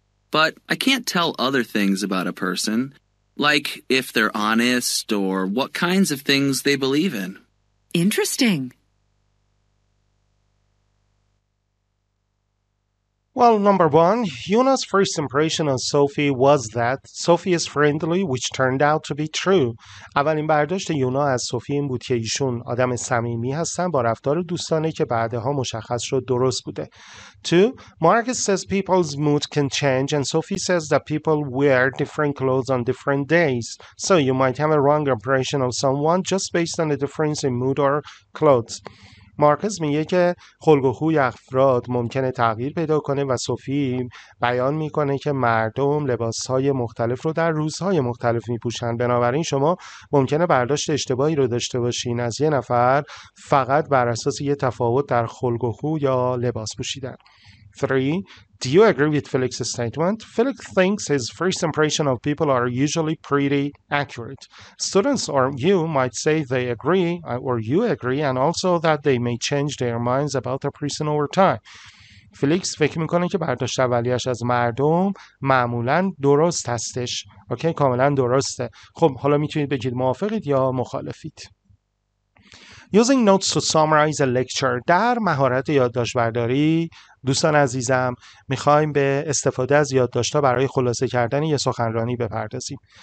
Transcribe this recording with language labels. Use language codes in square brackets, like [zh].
[en] But I can't tell other things about a person, like if they're honest or what kinds of things they believe in. Interesting. Well, number one, Yuna's first impression of Sophie was that Sophie is friendly, which turned out to be true. [fa] اولین برداشت یونا از سوفی این بود که ایشون آدم صمیمی هستن با رفتار دوستانه که بعدها مشخص شد درست بوده. [en] Two, Marcus says people's mood can change and Sophie says that people wear different clothes on different days. So you might have a wrong impression of someone just based on the difference in mood or clothes. [fa] مارکز میگه که خلق و خوی افراد ممکنه تغییر پیدا کنه و سوفی بیان میکنه که مردم لباسهای مختلف رو در روزهای مختلف میپوشن. بنابراین شما ممکنه برداشت اشتباهی رو داشته باشین از یه نفر فقط بر اساس یه تفاوت در خلق و خو یا لباس پوشیدن. [en] 3. Do you agree with Felix's statement? Felix thinks his first impression of people are usually pretty accurate. Students or you might say they agree or you agree and also that they may change their minds about a person over time. [fa] Felix فکر میکنه که برداشت اولیه‌اش از مردم معمولاً درست هستش. اوکی، کاملاً درسته. خب حالا میتونید بگید موافقید یا مخالفید. [en] Using notes to summarize a lecture. [fa] در مهارت یادداشت برداری دوستان عزیزم میخوایم به استفاده از یادداشت‌ها برای خلاصه کردن یه سخنرانی بپردازیم.